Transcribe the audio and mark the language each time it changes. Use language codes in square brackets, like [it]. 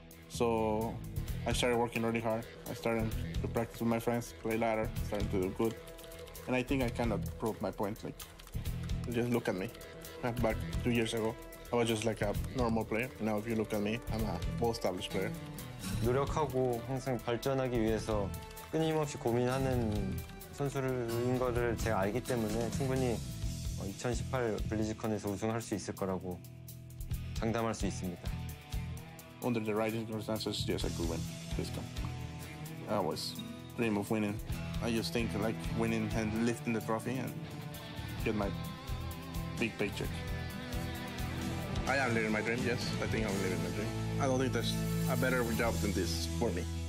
[en] So I started working really hard. I started to practice with my friends, play ladder, starting to do good. And I think I kind of proved my point. Like, just look at me. Back 2 years ago, I was just like a normal player. Now if you look at me, I'm a well-established player. [ko] 노력하고 항상 발전하기 위해서 끊임없이 고민하는 선수인 거를 제가 알기 때문에 충분히 2018 블리즈컨에서 우승할 수 있을 거라고 장담할 수 있습니다. [en] Under the right circumstances, yes, I could win this game. I always dream of winning. I just think like winning and lifting the trophy and get my big paycheck. I am living my dream, yes. I think I'm living my dream. I don't think there's a better job than this for me.